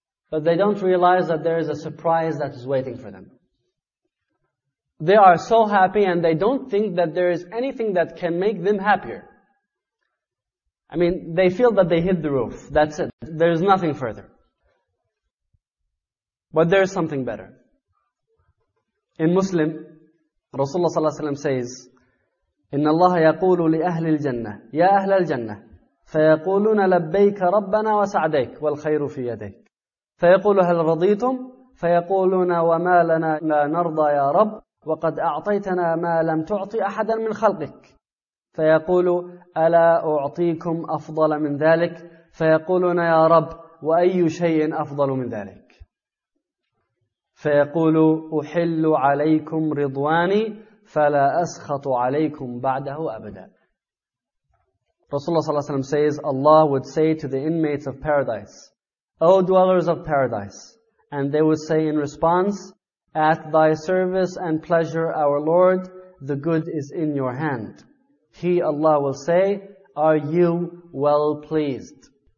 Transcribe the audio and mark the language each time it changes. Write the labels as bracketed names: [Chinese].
[English] But they don't realize that there is a surprise that is waiting for them. They are so happy and they don't think that there is anything that can make them happier. I mean, they feel that they hit the roof. That's it. There is nothing further. But there is something better. In Muslim, Rasulullah sallallahu alayhi wa sallam says, [Arabic] إِنَّ اللَّهَ يَقُولُ لِأَهْلِ الْجَنَّةِ يَا أَهْلَ الْجَنَّةِ فَيَقُولُونَ لَبَّيْكَ رَبَّنَا وَسَعْدَيْكَ وَالْخَيْرُ فِي يَدَيْكَ فَيَقُولُ هَلْ رَضِيتُمْ فَيَقُولُونَ وَمَا لَنَا لَا نَرْضَى يَا رَبْ وَقَدْ أَعْطَيْتَنَا مَا لَمْ تُعْطِ أَحَدًا مِنْ خَلْقِكَ فَيَقُولُ أَلَا أُعْطِيكُمْ أَفْضَلَ مِنْ ذَلِكَ فَيَقُولُونَ يَا رَبْ وَأَيُّ شَيْءٍ أَفْضَلُ مِنْ ذَلِكَ فَيَقُولُ أُحِلُّ عَلَيْكُمْ رِضْوَانِي فَلَا أَسْخَطُ عَلَيْكُمْ بَعْدَهُ أَبَدًا. [English] Rasulullah sallallahu alayhi wa sallam says, Allah would say to the inmates of paradise, O dwellers of paradise, and they would say in response, At thy service and pleasure, our Lord, the good is in your hand. He, Allah, will say, Are you well pleased?